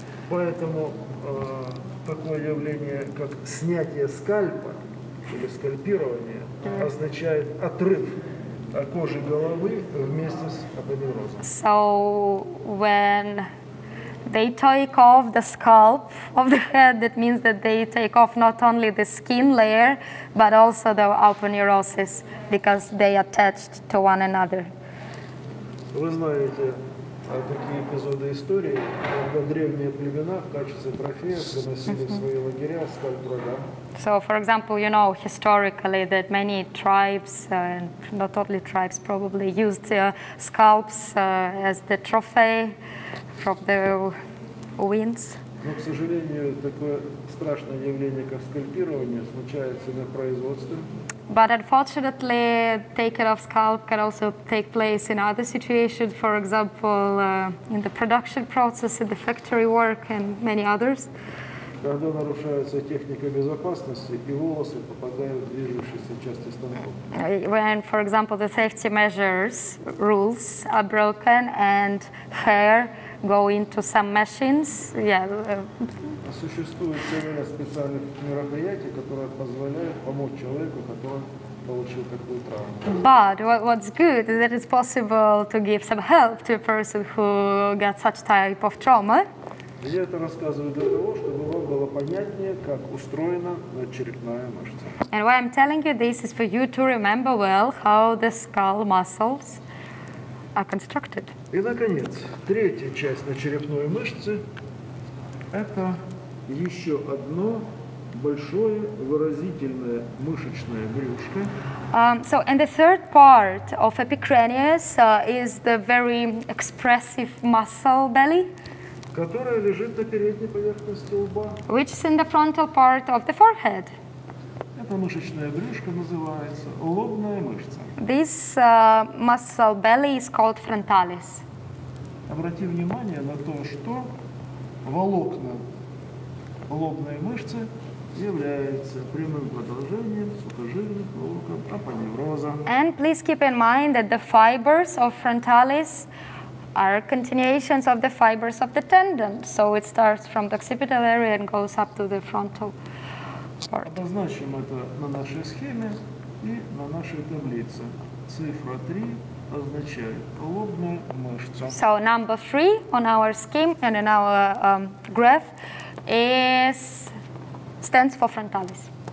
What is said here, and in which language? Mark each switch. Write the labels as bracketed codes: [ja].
[ru] Поэтому такое явление, как снятие скальпа или скальпирование, означает отрыв кожи головы вместе с апонеурозом. [en] So when they take off the scalp of the head, that means that they take off not only the skin layer, but also the aponeurosis, because they attached to one another. [ru] Вы знаете такие эпизоды истории, когда древние племена в качестве трофея приносили в свои лагеря скальп врага. [en] So, for example, you know historically that many tribes, and not only tribes, probably used scalps as the trophy from the wins. [ru] Но, к сожалению, такое страшное явление, как скальпирование, случается на производстве. [en] But unfortunately, taking off scalp can also take place in other situations, for example, in the production process, in the factory work, and many others. [ru] Когда нарушается техника безопасности, и волосы попадают в движущиеся части станков. [en] When, for example, the safety measures rules are broken and hair go into some machines, yeah. [ru] Существует целая специальных мероприятий, которые позволяют помочь человеку, который получил такую травму. [en] But what's good is that it's possible to give some help to a person who got such type of trauma. [ru] Я это рассказываю для того, чтобы вам было понятнее, как устроена надчерепная мышца. [en] And why I'm telling you this is for you to remember well how the skull muscles are constructed. [ru] И, наконец, третья часть надчерепной мышцы – это еще одно большое выразительное мышечное брюшко. [en] So, and the third part of epicranius is the very expressive muscle belly, [ru] которая лежит на передней поверхности лба, [en] which is in the frontal part of the forehead. [ru] Это мышечное брюшко называется лобная мышца. [en] This muscle belly is called frontalis. [ru] Обрати внимание на то, что волокна лобной мышцы являются прямым продолжением сухожильных волокон апоневроза. [en] And please keep in mind that the fibers of frontalis are continuations of the fibers of the tendon. So it starts from the occipital area and goes up to the frontal part. [ru] Обозначим это на нашей схеме и на нашей таблице. Цифра 3 означает лобную мышцу. [en] So number 3 on our scheme and in our graph stands for frontalis.